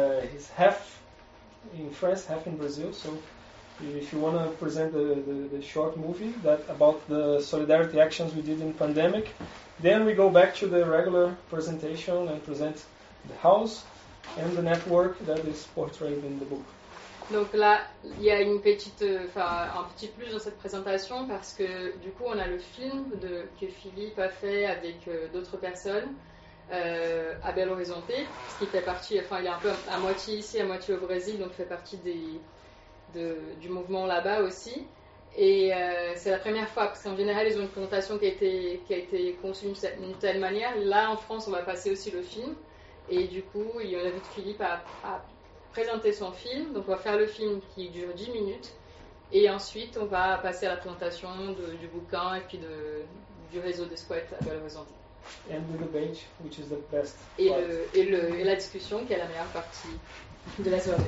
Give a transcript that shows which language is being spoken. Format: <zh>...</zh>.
<en>He's half in France, half in Brazil. So if you want to present the short movie that about the solidarity actions we did in pandemic, then we go back to the regular presentation and present the house and the network that is portrayed in the book.</en> <fr>Donc là, il y a une petite, un petit plus dans cette présentation parce que du coup, on a le film que Philippe a fait avec d'autres personnes à Belo Horizonte, qui fait partie, enfin, il est un peu à moitié ici, à moitié au Brésil, donc fait partie du mouvement là-bas aussi. Et c'est la première fois, parce qu'en général, ils ont une présentation qui a été conçue d'une telle manière. Là, en France, on va passer aussi le film. Et du coup, il y en a vu Philippe à présenter son film. Donc, on va faire le film qui dure 10 minutes. Et ensuite, on va passer à la présentation du bouquin et puis du réseau des squats à Belo Horizonte.</fr> <en>And the debate, which is the best part.</en> <fr>Et la discussion, qui est la meilleure partie de la soirée.</fr>